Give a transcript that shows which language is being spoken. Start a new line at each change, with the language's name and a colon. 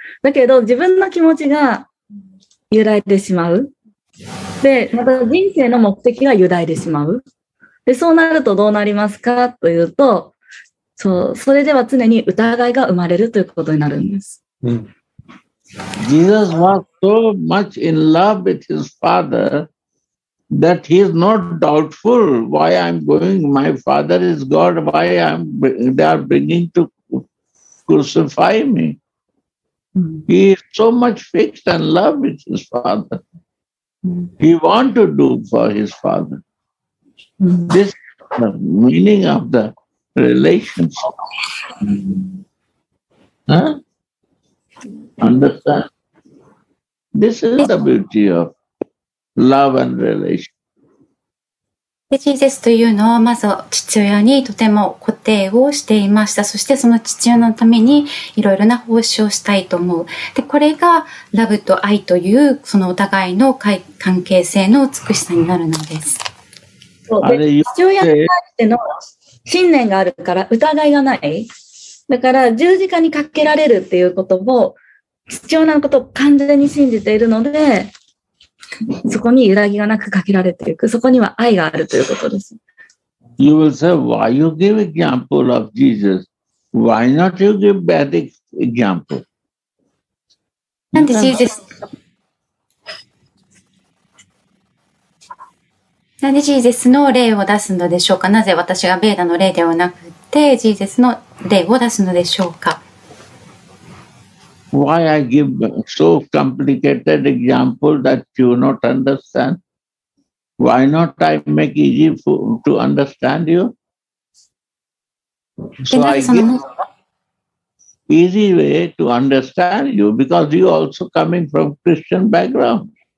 Japanese: だけど自分の気持ちが揺らいでしまう。で、また人生の目的が揺らいでしまう。で、そうなるとどうなりますかというと、そう、それでは常に疑いが生まれるということになるんです。
English: Jesus was so much in love with his father that he is not doubtful why I'm going, my father is God, why I'm, they are bringing toCrucify me. He is so much fixed and love with his father. He want to do for his father. This is the meaning of the relationship. Understand? This is the beauty of love and relation.
Japanese: ジーゼスというのはまず父親にとても固定をしていました。そしてその父親のためにいろいろな奉仕をしたいと思う。でこれがラブと愛というそのお互いの関係性の美しさになるのです。で父親に対しての信念があるから疑いがない。だから十字架にかけられるっていうことを父親のことを完全に信じているのでそこに揺らぎがなくかけられていく。そこには愛があるということです。
English: You will say, why you give example of Jesus? Why not you give Vedic example?
Japanese: なんでジーゼス？なんでジーゼスの例を出すのでしょうか？なぜ私がベーダの例ではなくてジーゼスの例を出すのでしょうか？
English: Why I give so complicated example that you not understand? Why not I make easy for, to understand you? So I give easy way to understand you because you also coming from Christian background.